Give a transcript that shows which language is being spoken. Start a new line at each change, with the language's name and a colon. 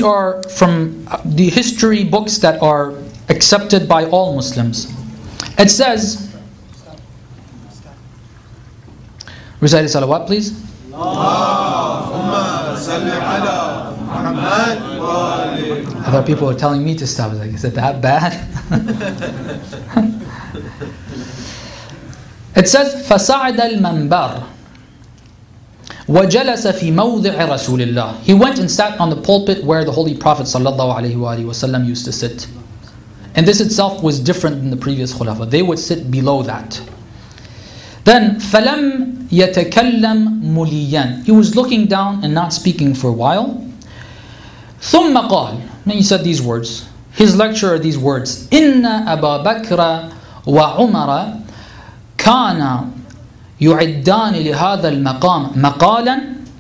English: These are from the history books that are accepted by all Muslims. It says, recite the salawat, please.
Arabic: Allahumma salli ala Muhammad wa ali.
English: I thought people were telling me to stop. Like, is it that bad? It says,
Arabic: فَسَعَدَ الْمَنْبَرِ وَجَلَسَ فِي مَوْضِعِ رَسُولِ اللَّهِ.
English: He went and sat on the pulpit where the Holy Prophet ﷺ used to sit. And this itself was different than the previous khulafa. They would sit below that. Then,
Arabic: فَلَمْ يَتَكَلَّمْ مُلِيًّا.
English: He was looking down and not speaking for a while.
Arabic: ثُمَّ قَالْ.
English: Then he said these words. His lecture are these words.
Arabic: إِنَّ أَبَا بَكْرَ وَعُمَرَ كَانَ يُعِدَّانِ لِهَذَا الْمَقَامِ مَقَالًا.